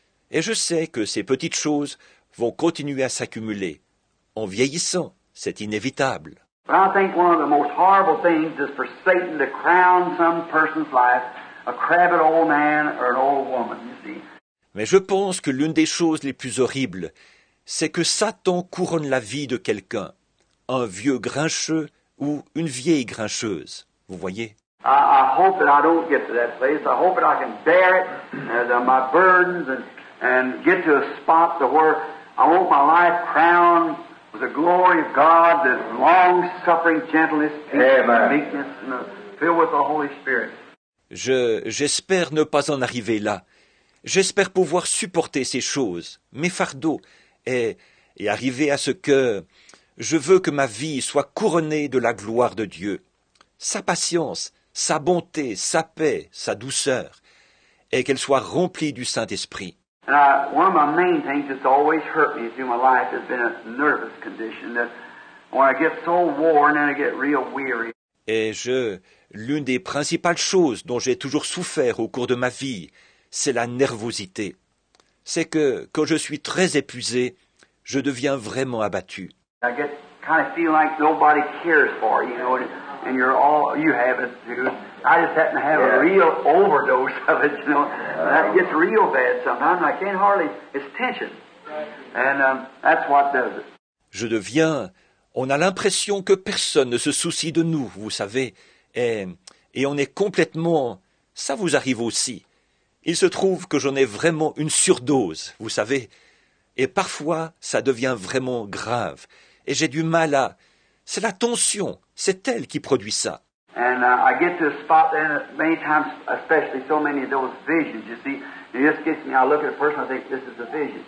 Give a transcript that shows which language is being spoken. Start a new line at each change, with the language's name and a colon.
French: Et je sais que ces petites choses vont continuer à s'accumuler. En vieillissant, c'est inévitable.
English: But I think one of the most horrible things is for Satan to crown some person's life, a crabbed old man or an old woman, you see.
French: Mais je pense que l'une des choses les plus horribles, c'est que Satan couronne la vie de quelqu'un, un vieux grincheux ou une vieille grincheuse, vous voyez.
English: I hope that I don't get to that place. I hope that I can bear it, my burdens, and get to a spot to where I want my life crowned. The glory of God, the long-suffering gentleness, peace, and meekness, filled with the Holy Spirit.
French: J'espère ne pas en arriver là. J'espère pouvoir supporter ces choses, mes fardeaux, et arriver à ce que je veux que ma vie soit couronnée de la gloire de Dieu. Sa patience, sa bonté, sa paix, sa douceur. et qu'elle soit remplie du Saint-Esprit.
English: One of my main things that's always hurt me through my life has been a nervous condition that when I get so worn and I get real weary.
French: Et l'une des principales choses dont j'ai toujours souffert au cours de ma vie, c'est la nervosité. C'est que quand je suis très épuisé, je deviens vraiment abattu.
English: I get kind of feel like nobody cares for you, you know, and you're all you have it too. I just happen to have a real overdose of it, you know. That gets real bad sometimes. I can't hardly. It's tension, and that's what does it.
French: Je deviens On a l'impression que personne ne se soucie de nous, vous savez, et on est complètement... Ça vous arrive aussi. Il se trouve que j'en ai vraiment une surdose, vous savez, et parfois, ça devient vraiment grave. Et j'ai du mal à... C'est la tension, c'est elle qui produit ça.
English: And I get to a spot then, many times, especially so many of those visions, you see, it just gets me, I look at a person, I think, this is a vision.